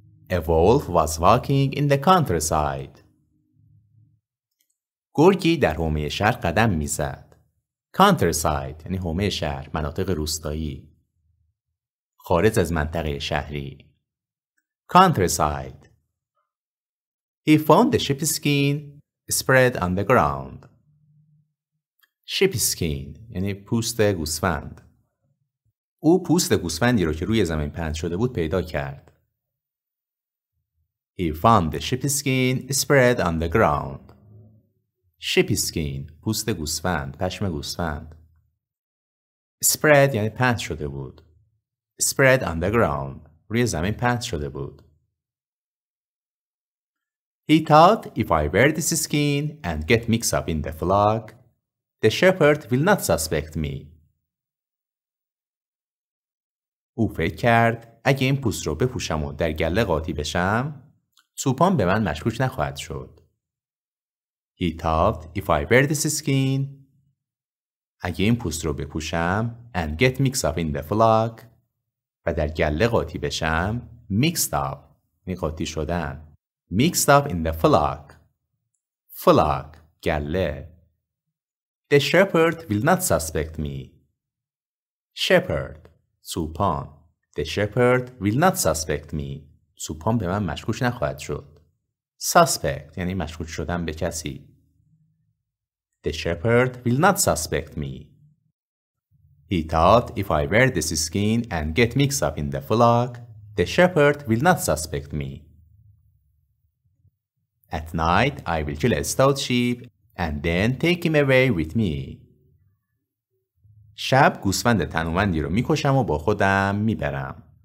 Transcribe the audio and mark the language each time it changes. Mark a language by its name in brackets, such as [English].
[English] A wolf was walking in the countryside. [Persian] گرگی در حومه شهر قدم می‌زد. Countryside یعنی حومه شهر، مناطق روستایی، خارج از منطقه شهری. [English] Countryside. He found the sheepskin spread on the ground. [Persian] Sheepskin یعنی پوست گوسفند. او پوست گوسفندی رو که روی زمین پهن شده بود پیدا کرد. [English] He found the sheepskin spread on the ground. [Persian] Sheepskin، پوست گوسفند، پشم گوسفند. Spread یعنی پهن شده بود. [English] Spread on the ground، [Persian] روی زمین پهن شده بود. [English] He thought if I wear this skin and get mixed up in the flock, the shepherd will not suspect me. [Persian] او فکر کرد اگه این پوست رو بپوشم و در گله قاطی بشم، چوپان به من مشکوک نخواهد شد. [English] He thought if I wear this skin [Persian] اگه این پوست رو بپوشم [English] and get mixed up in the flock [Persian] و در گله قاطی بشم [English] mixed up [Persian] یعنی قاطی شدن [English] mixed up in the flock flock گله the shepherd will not suspect me shepherd چوپان the shepherd will not suspect me [Persian] چوپان به من مشکوک نخواهد شد [English] suspect [Persian] یعنی مشکوک شدن به کسی [English] The shepherd will not suspect me. He thought if I wear this skin and get mixed up in the flock, the shepherd will not suspect me. At night, I will kill a stout sheep and then take him away with me. [Persian] شب گوسفند تنومندی رو میکشم و با خودم میبرم.